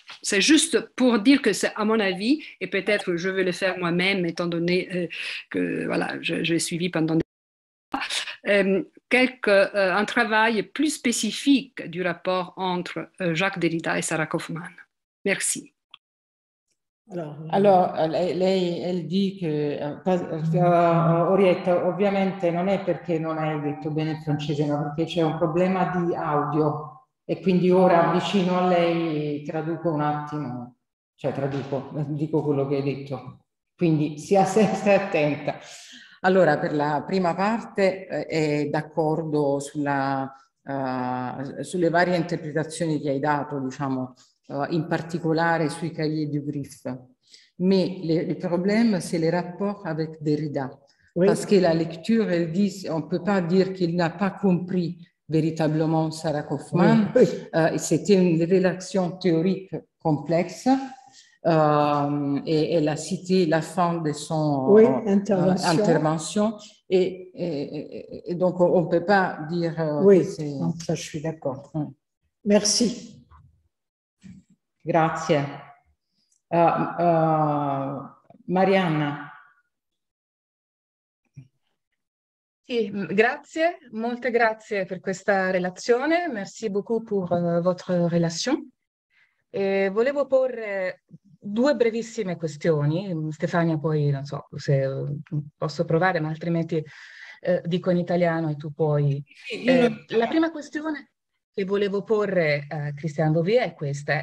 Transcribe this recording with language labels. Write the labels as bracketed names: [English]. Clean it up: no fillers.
[French] C'est juste pour dire que c'est à mon avis, et peut-être je vais le faire moi-même, étant donné que voilà, j'ai suivi pendant des un travail plus spécifique du rapport entre Jacques Derrida et Sarah Kaufman. Merci. [Italian] Allora, lei [French] elle dit [Italian] che Orietta, ovviamente non è perché non hai detto bene il francese, ma perché c'è un problema di audio e quindi ora vicino a lei traduco un attimo, cioè traduco, dico quello che hai detto. Quindi sia sempre attenta. Allora, per la prima parte è d'accordo sulle varie interpretazioni che hai dato, diciamo, in particolare sui cahiers du Griff. Ma il problema è il rapporto con Derrida. [French] Oui. Parce que la lecture, elle dit, on ne peut pas dire qu'il n'a pas compris véritablement Sarah Kaufman. Oui. C'était une relation théorique complexe. Et elle a cité la fin de son intervention. Et donc, on ne peut pas dire. Oui, c'est... Non, ça, je suis d'accord. Ouais. Merci. [Italian] Grazie. Marianna. Sì, grazie, molte grazie per questa relazione. [French] Merci beaucoup pour votre relation. [Italian] E volevo porre due brevissime questioni. Stefania, poi non so se posso provare, ma altrimenti dico in italiano e tu puoi. La prima questione che volevo porre a Christiane Beauvais è questa.